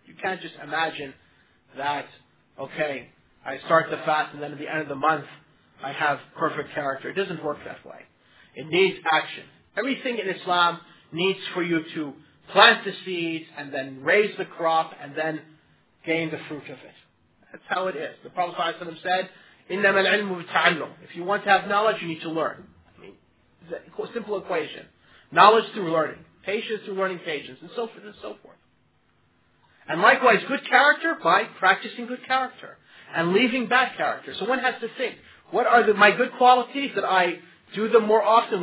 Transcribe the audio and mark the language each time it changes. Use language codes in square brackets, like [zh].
[en] You can't just imagine that, okay, I start the fast and then at the end of the month I have perfect character. It doesn't work that way. It needs action. Everything in Islam needs for you to plant the seeds and then raise the crop and then gain the fruit of it. That's how it is. The Prophet ﷺ said, [ar] إِنَّمَا الْعِلْمُ بِتَعَلُّمُ. [en] If you want to have knowledge, you need to learn. I mean, it's a simple equation. Knowledge through learning. Patience through learning patience, and so forth and so forth. And likewise, good character by practicing good character and leaving bad character. So one has to think, what are my good qualities that I do them more often?